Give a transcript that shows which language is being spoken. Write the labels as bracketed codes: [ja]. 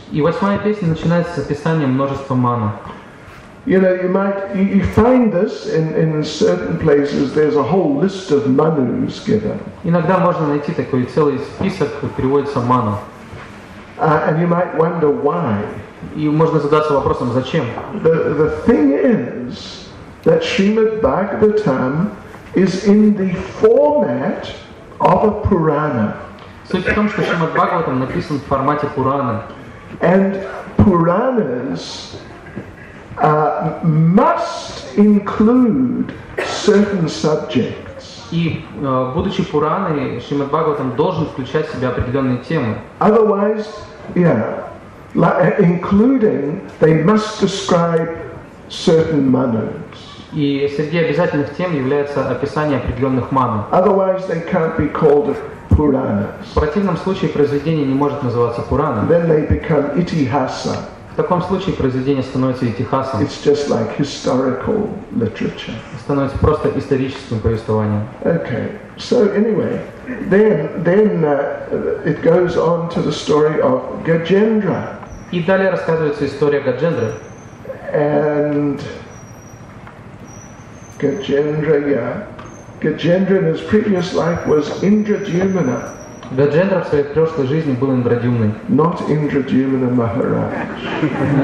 [ru] И восьмая песня начинается с описания множества ману. [en] You know, you find this in certain places. There's a whole list of manus given. [ru] Иногда можно найти такой целый список, который переводится ману. [en] And you might wonder why. [ru] И можно задаться вопросом, зачем? [en] The thing is that Srimad Bhagavatam is in the format of a Purana. [ru] Суть в том, что Шримад Бхагаватам написан в формате Пурана. [en] And Puranas must include certain subjects. [ru] И будучи Пураной, Шримад Бхагаватам должен включать в себя определенные темы. [en] Otherwise, yeah, like, including, they must describe certain manus. [ru] И среди обязательных тем является описание определенных ману. [en] Otherwise, they can't be called Puranas. [ru] В противном случае произведение не может называться Пураном. [en] Then they become Itihasa. [ru] В таком случае произведение становится итихасом. [en] It's just like historical literature. [ru] Становится просто историческим повествованием. [en] Okay. So anyway, then it goes on to the story of Gajendra. [ru] И далее рассказывается история Гаджендры. [en] And Gajendra, yeah. Gajendra in his previous life was Indradyumna. [ru] Гаджендра в своей прошлой жизни был Индрадюмной. [en] Not Indradyumna Maharaj.